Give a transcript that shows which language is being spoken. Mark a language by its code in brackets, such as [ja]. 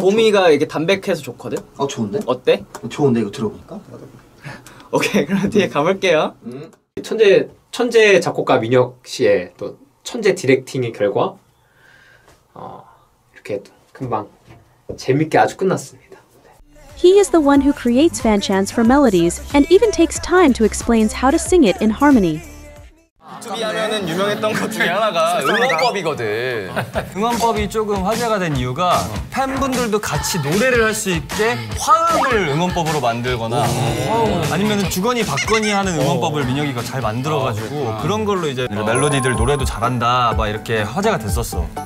[ko] 봄이가 이렇게 담백해서 좋거든? 어 좋은데? 어때? 좋은데 이거 들어보니까? 오케이 그럼 뒤에 가볼게요 천재 작곡가 민혁 씨의 또 천재 디렉팅의 결과 이렇게 또 금방 재밌게 아주 끝났습니다 [en] He is the one who creates fan chants for melodies and even takes time to explain how to sing it in harmony [ko] 유튜브하면은 유명했던 것 중에 하나가 응원법이거든 응원법이 조금 화제가 된 이유가 팬분들도 같이 노래를 할 수 있게 화음을 응원법으로 만들거나 아니면은 주건이 박건이 하는 응원법을 민혁이가 잘 만들어가지고 그런 걸로 이제 멜로디들 노래도 잘한다 막 이렇게 화제가 됐었어